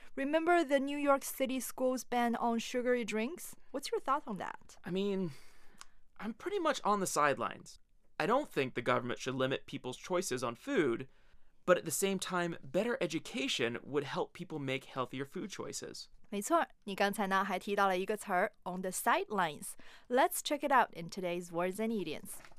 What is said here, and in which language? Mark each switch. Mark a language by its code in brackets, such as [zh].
[en] Remember the New York City school's ban on sugary drinks? What's your thought on that? I mean, I'm pretty much on the sidelines. I don't think the government should limit people's choices on food, but at the same time, better education would help people make healthier food choices. [zh] 没错，你刚才呢还提到了一个词 [en] on the sidelines. Let's check it out in today's words and idioms.